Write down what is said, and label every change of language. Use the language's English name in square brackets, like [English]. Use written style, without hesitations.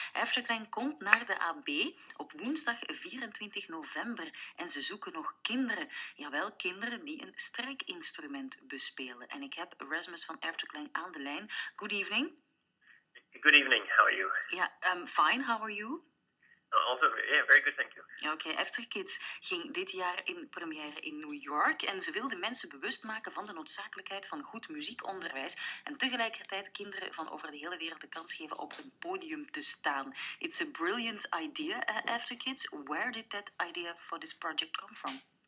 [Dutch] Evergreen komt naar de AB op woensdag 24 november. En ze zoeken nog kinderen. Jawel, kinderen die een strijkinstrument bespelen. En ik heb Rasmus van Evergreen aan de lijn. [English] Good evening. Good evening, how are you? Yeah, fine, how are you? Also, yeah, very good, thank you. [Dutch] Okay, After Kids ging dit jaar in première in New York en ze wilden mensen bewust maken van de noodzakelijkheid van goed muziekonderwijs en tegelijkertijd kinderen van over de hele wereld de kans geven op een podium te staan. [English] It's a brilliant idea, After Kids. Where did that idea for this project come from?